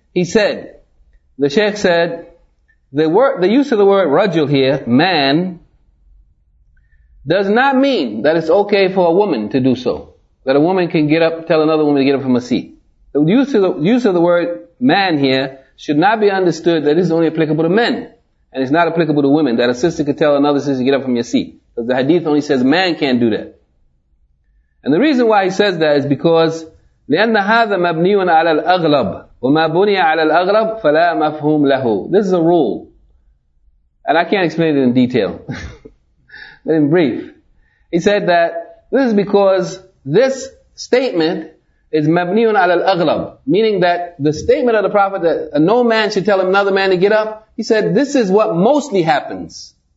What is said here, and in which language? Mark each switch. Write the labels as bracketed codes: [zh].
[en] He said, the Shaykh said, The use of the word rajul here, man, does not mean that it's okay for a woman to do so. That a woman can get up, tell another woman to get up from a seat. The use of the word man here should not be understood that it's only applicable to men. And it's not applicable to women, that a sister could tell another sister to get up from your seat. Because the hadith only says man can't do that. And the reason why he says that is because, [ar] لِأَنَّ هَذَا مَبْنِيٌ عَلَى الْأَغْلَبِ وَمَا بُنِيَ عَلَى الْأَغْلَبِ فَلَا مَفْهُومْ لَهُ. [en] This is a rule. And I can't explain it in detail. But in brief. He said that this is because this statement is [ar] مَبْنِيٌ عَلَى الْأَغْلَبِ. [en] Meaning that the statement of the Prophet that no man should tell another man to get up, he said this is what mostly happens.